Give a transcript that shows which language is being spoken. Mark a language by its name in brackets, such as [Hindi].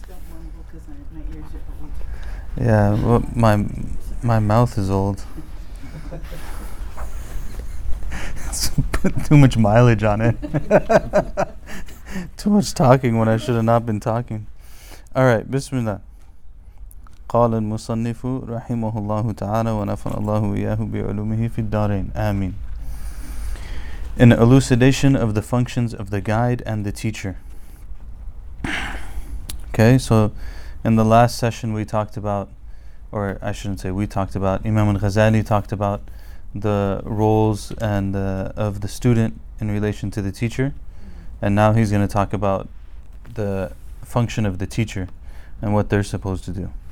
[English] Don't mumble because my ears are old. Yeah, well, my mouth is old. Put too much mileage on it. Too much talking when I should have not been talking. All right, bismillah. [Arabic] قال المصنف رحمه الله تعالى ونفعنا الله إياه بعلومه في الدارين آمين. [English] An elucidation of the functions of the guide and the teacher. Okay, so in the last session we talked about, or I shouldn't say we talked about, Imam al-Ghazali talked about the roles and of the student in relation to the teacher, and now he's going to talk about the function of the teacher and what they're supposed to do.